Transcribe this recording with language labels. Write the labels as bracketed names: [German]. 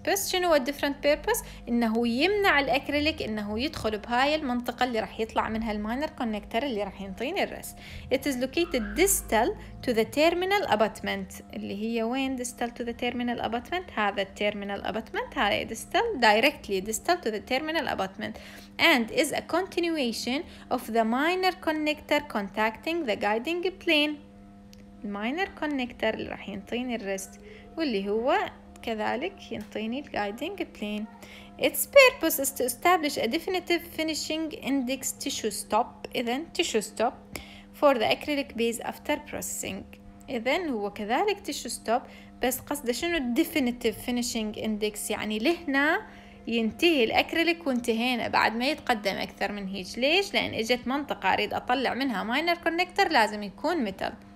[Arabic] بس شنو هو الديفرنت بيربس؟ انه يمنع الاكريليك انه يدخل بهاي المنطقة اللي راح يطلع منها الماينر كونكتر اللي راح ينطيني الرس. [English] It is located distal to the terminal abutment. [Arabic] اللي هي وين distal to the terminal abutment؟ هذا terminal abutment، هذا distal، directly distal to the terminal abutment. [English] And is a continuation of the minor connector contacting the guiding plane. [Arabic] Minor connector اللي راح ينطيني الرست واللي هو كذلك ينطيني الجايدينج بلين. [English] Its purpose is to establish a definitive finishing index tissue stop. إذن tissue stop for the acrylic base after processing. [Arabic] إذن هو كذلك tissue stop، بس قصده شنو definitive finishing index؟ يعني لهنا ينتهي الأكريليك وانتهينا، بعد ما يتقدم أكثر من هيج. ليش؟ لأن إجت منطقة أريد أطلع منها minor connector لازم يكون metal.